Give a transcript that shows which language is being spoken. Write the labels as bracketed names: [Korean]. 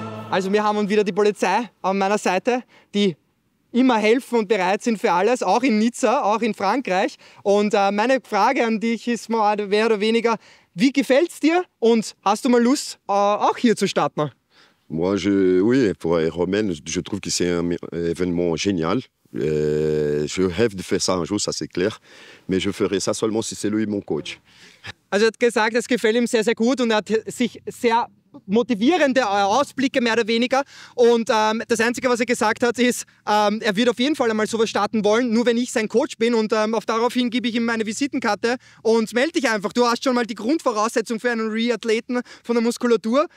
[German] Also wir haben wieder die Polizei an meiner Seite, die immer helfen und bereit sind für alles, auch in Nizza, auch in Frankreich. Und meine Frage an dich ist mal mehr oder weniger, wie gefällt es dir und hast du mal Lust, auch hier zu starten? [French] Moi, oui, pour Romain, je trouve que c'est un événement génial. Je rêve de faire ça un jour, ça c'est clair. Mais je ferai ça seulement si c'est lui mon coach. [German] Also er hat gesagt, es gefällt ihm sehr, sehr gut und er hat sich sehr motivierende Ausblicke, mehr oder weniger. Und das Einzige, was er gesagt hat, ist, er wird auf jeden Fall einmal sowas starten wollen, nur wenn ich sein Coach bin. Und daraufhin gebe ich ihm meine Visitenkarte und melde dich einfach. Du hast schon mal die Grundvoraussetzung für einen Re-Athleten von der Muskulatur.